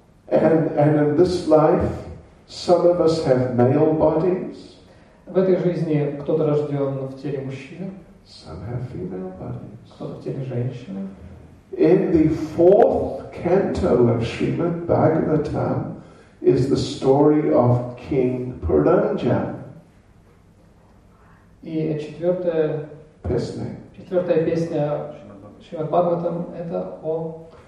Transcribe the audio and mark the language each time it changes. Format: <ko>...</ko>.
<en>And in this life, some of us have male bodies.</en> <ru>В этой жизни кто-то рожден в теле мужчины.</ru> <en>Some have female bodies.</en> <ru>Кто-то в теле женщины.</ru> <en>In the fourth canto of Srimad Bhagavatam is the story of King Puranja.</en> <ru>И четвертая песня. Четвертая песня Шримад Бхагаватам это о.</ru>